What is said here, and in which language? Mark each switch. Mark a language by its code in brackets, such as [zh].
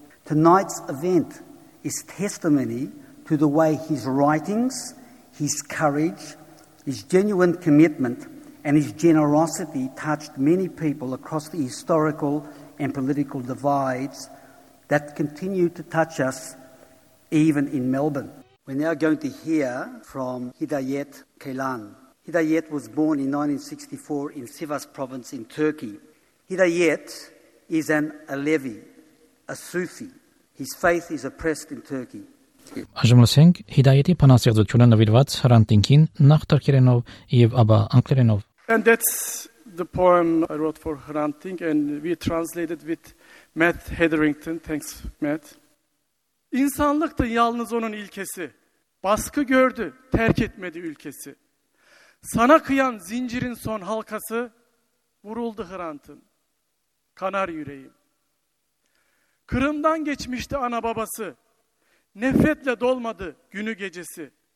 [en] Tonight's event is testimony to the way his writings, his courage, his genuine commitment and his generosity touched many people across the historical and political divides that continue to touch us even in Melbourne. We're now going to hear from Hidayet Kaylan. Hidayet was born in 1964 in Sivas province in Turkey. Hidayet is an Alevi, a Sufi. His faith is oppressed in Turkey. [hy] Այժմ լսենք Հիդայետի բանասերությունը նվիրված Հրանտ Դինքին նախ թուրքերենով եւ ապա անգլերենով։ [en] And that's the poem I wrote for Hrant Dink, and we translated with Matt Hetherington. Thanks, Matt. [tr] İnsanlıktı yalnız onun ilkesi. Baskı gördü, terk etmedi ülkesi. Sana kıyan zincirin son halkası vuruldu Hrant'ın. Kanar yüreğim. Kırım'dan geçmişti ana babası. Nefretle dolmadı günü gecesi.